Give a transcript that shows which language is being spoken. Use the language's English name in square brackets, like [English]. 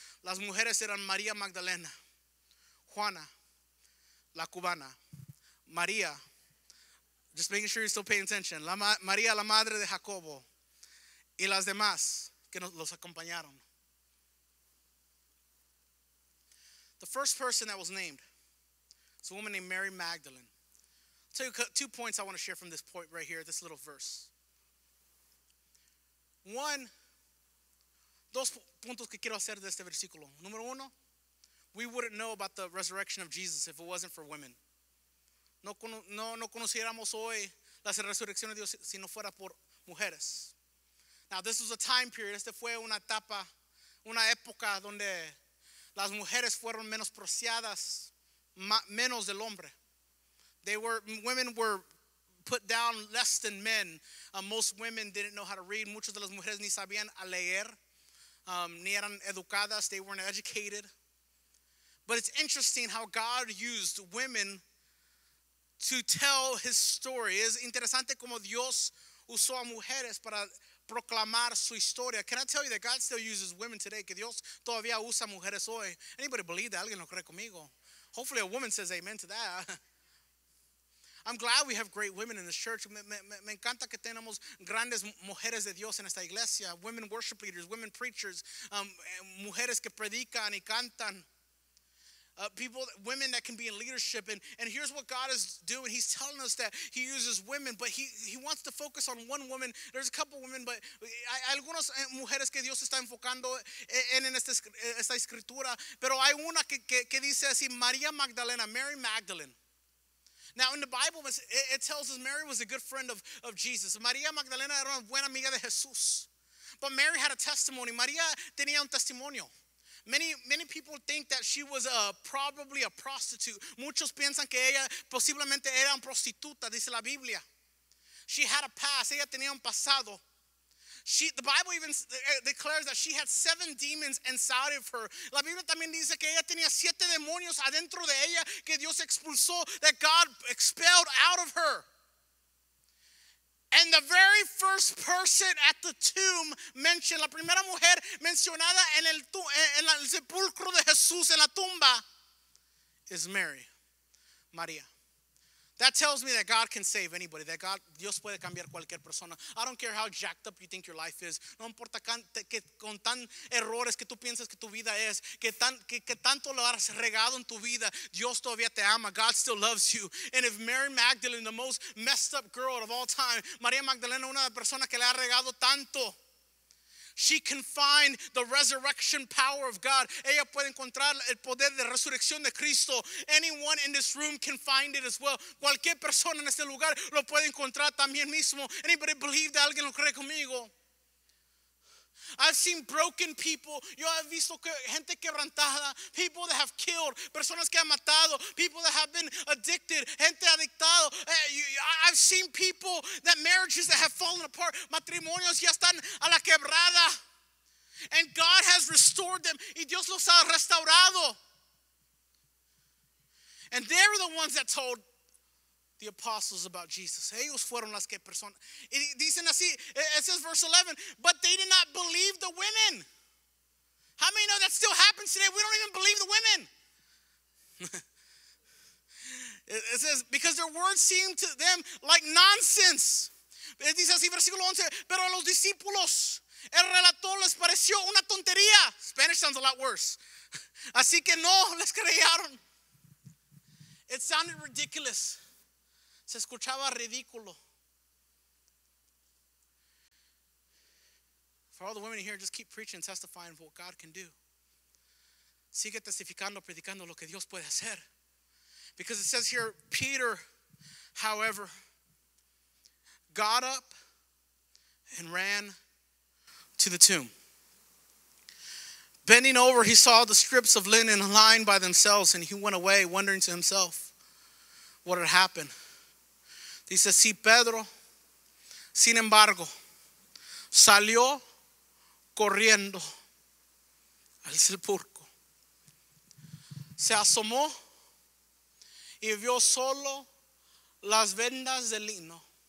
[Spanish] Las mujeres eran María Magdalena, Juana, la cubana, María, [English] just making sure you're still paying attention, [Spanish] María, la madre de Jacobo, y las demás que los acompañaron. [English] The first person that was named is a woman named Mary Magdalene. I'll tell you two points I want to share from this point right here, this little verse. One, [Spanish] dos puntos que quiero hacer de este versículo. Número uno, [English] we wouldn't know about the resurrection of Jesus if it wasn't for women. [Spanish] No conociéramos hoy la resurrección de Dios si no fuera por mujeres. [English] Now, this was a time period. [Spanish] Este fue una etapa, una época donde las mujeres fueron menospreciadas, menos del hombre. [English] Women were put down less than men. Most women didn't know how to read. [Spanish] Muchas de las mujeres ni sabían a leer. Ni eran educadas. [English] They weren't educated. But it's interesting how God used women to tell his story. [Spanish] Es interesante como Dios usó a mujeres para proclamar su historia. [English] Can I tell you that God still uses women today? [Spanish] Que Dios todavía usa mujeres hoy. [English] Anybody believe that? [Spanish] Alguien lo cree conmigo? [English] Hopefully a woman says amen to that. I'm glad we have great women in this church. [Spanish] Me encanta que tenemos grandes mujeres de Dios en esta iglesia. [English] Women worship leaders, women preachers, [Spanish] mujeres que predican y cantan. [English] Women that can be in leadership. And here's what God is doing. He's telling us that he uses women, but he wants to focus on one woman. There's a couple women, but [Spanish] hay algunas mujeres que Dios está enfocando en esta escritura. Pero hay una que dice así, María Magdalena, Mary Magdalene. [English] Now, in the Bible, it tells us Mary was a good friend of Jesus. [Spanish] María Magdalena era una buena amiga de Jesús. [English] But Mary had a testimony. [Spanish] María tenía un testimonio. [English] Many people think that she was probably a prostitute. [Spanish] Muchos piensan que ella posiblemente era una prostituta, dice la Biblia. [English] She had a past. [Spanish] Ella tenía un pasado. [English] The Bible even declares that she had 7 demons inside of her. [Spanish] La Biblia también dice que ella tenía 7 demonios adentro de ella que Dios expulsó, [English] that God expelled out of her. And the very first person at the tomb mentioned, [Spanish] la primera mujer mencionada en el sepulcro de Jesús, en la tumba, [English] is Mary, [Spanish] María. [English] That tells me that God can save anybody, that God, [Spanish] Dios puede cambiar cualquier persona. [English] I don't care how jacked up you think your life is. [Spanish] No importa que con tan errores que tú piensas que tu vida es, que tanto lo has regado en tu vida, Dios todavía te ama. [English] God still loves you. And if Mary Magdalene, the most messed up girl of all time, María Magdalena, [Spanish] una persona que le ha regado tanto, [English] she can find the resurrection power of God. [Spanish] Ella puede encontrar el poder de resurrección de Cristo. [English] Anyone in this room can find it as well. [Spanish] Cualquier persona en este lugar lo puede encontrar también mismo. [English] Anybody believe that? [Spanish] Alguien lo cree conmigo? [English] I've seen broken people. [Spanish] Yo he visto gente quebrantada. [English] People that have killed. [Spanish] Personas que han matado. [English] People that have been addicted. [Spanish] Gente adictado. [English] I've seen people that marriages that have fallen apart. [Spanish] Matrimonios ya están a la quebrada. [English] And God has restored them. [Spanish] Y Dios los ha restaurado. [English] And they're the ones that told the apostles about Jesus. [Spanish] Ellos fueron las que personas. Dicen así, [English] it says verse 11, but they did not believe the women. How many know that still happens today? We don't even believe the women. It says, because their words seemed to them like nonsense. [Spanish] Dice así, versículo 11, pero a los discípulos, el relator les pareció una tontería. [English] Spanish sounds a lot worse. [Spanish] Así que no les creyeron. [English] It sounded ridiculous. [Spanish] Se escuchaba ridículo. [English] For all the women here, just keep preaching, testifying for what God can do. [Spanish] Sigue testificando, predicando lo que Dios puede hacer. [English] Because it says here, Peter, however, got up and ran to the tomb. Bending over, he saw the strips of linen lying by themselves, and he went away, wondering to himself what had happened. [Spanish] Dice, sí, Pedro, sin embargo, salió corriendo al sepulcro. Se asomó y vio solo las vendas de lino.